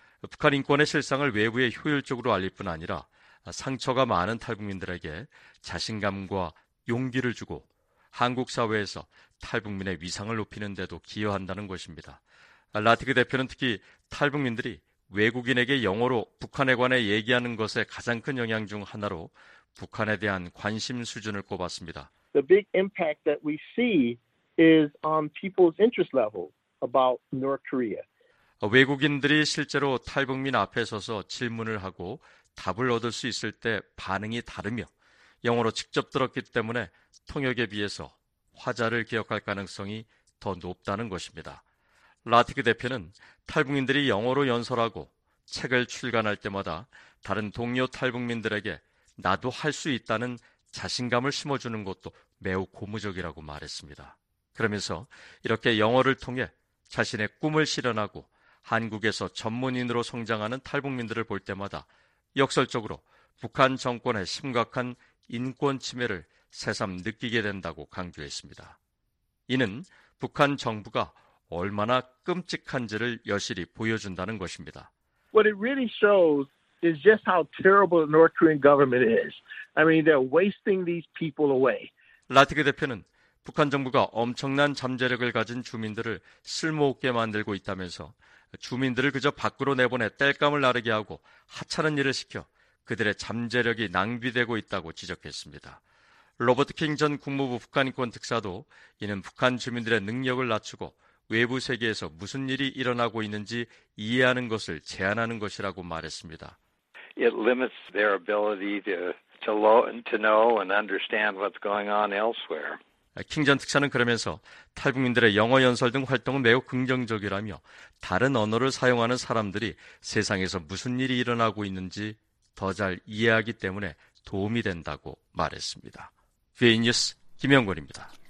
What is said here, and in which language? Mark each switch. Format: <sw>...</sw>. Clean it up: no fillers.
<ko>북한 인권의 실상을 외부에 효율적으로 알릴 뿐 아니라 상처가 많은 탈북민들에게 자신감과 용기를 주고 한국 사회에서 탈북민의 위상을 높이는 데도 기여한다는 것입니다. 라티그 대표는 특히 탈북민들이 외국인에게 영어로 북한에 관해 얘기하는 것의 가장 큰 영향 중 하나로 북한에 대한 관심 수준을 꼽았습니다.</ko> <en>The big impact that we see is on people's interest level about North Korea.</en> <ko>외국인들이 실제로 탈북민 앞에 서서 질문을 하고 답을 얻을 수 있을 때 반응이 다르며 영어로 직접 들었기 때문에 통역에 비해서 화자를 기억할 가능성이 더 높다는 것입니다. 라티크 대표는 탈북민들이 영어로 연설하고 책을 출간할 때마다 다른 동료 탈북민들에게 나도 할 수 있다는 자신감을 심어주는 것도 매우 고무적이라고 말했습니다. 그러면서 이렇게 영어를 통해 자신의 꿈을 실현하고 한국에서 전문인으로 성장하는 탈북민들을 볼 때마다 역설적으로 북한 정권의 심각한 인권 침해를 새삼 느끼게 된다고 강조했습니다. 이는 북한 정부가 얼마나 끔찍한지를 여실히 보여준다는 것입니다.</ko> <en>What it really shows is just how terrible the North Korean government is. I mean, they're wasting these people away.</en> <ko>라티그 대표는 북한 정부가 엄청난 잠재력을 가진 주민들을 쓸모없게 만들고 있다면서 주민들을 그저 밖으로 내보내 땔감을 나르게 하고 하찮은 일을 시켜 그들의 잠재력이 낭비되고 있다고 지적했습니다. 로버트 킹 전 국무부 북한인권 특사도 이는 북한 주민들의 능력을 낮추고 외부 세계에서 무슨 일이 일어나고 있는지 이해하는 것을 제한하는 것이라고 말했습니다.</ko> <en>It limits their ability to know and understand what's going on elsewhere.</en> <ko>킹 전 특사는 그러면서 탈북민들의 영어 연설 등 활동은 매우 긍정적이라며 다른 언어를 사용하는 사람들이 세상에서 무슨 일이 일어나고 있는지 더 잘 이해하기 때문에 도움이 된다고 말했습니다. VN 뉴스 김영곤입니다.</ko>